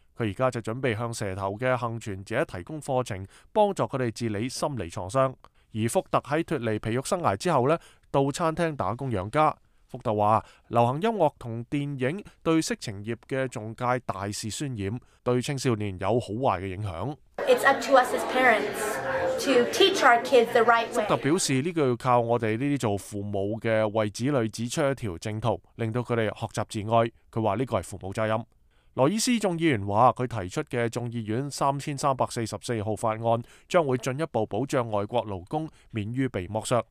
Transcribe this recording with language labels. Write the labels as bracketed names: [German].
[Chinese] 他现在就准备向蛇头的幸存者提供课程，帮助他们治理心理创伤。而福特在脱离皮肉生涯之后，到餐厅打工养家。福特说，流行音乐和电影对色情业的众界大肆渲染，对青少年有好坏的影响。 [English] It's up to us as parents to teach our kids the right way. [Chinese] 福特表示，这个要靠我们这些做父母的为子女指出一条正途，令到他们学习自爱。他说这个是父母责任。罗伊斯众议员说，他提出的众议院3344号法案将会进一步保障外国劳工免于被剥削。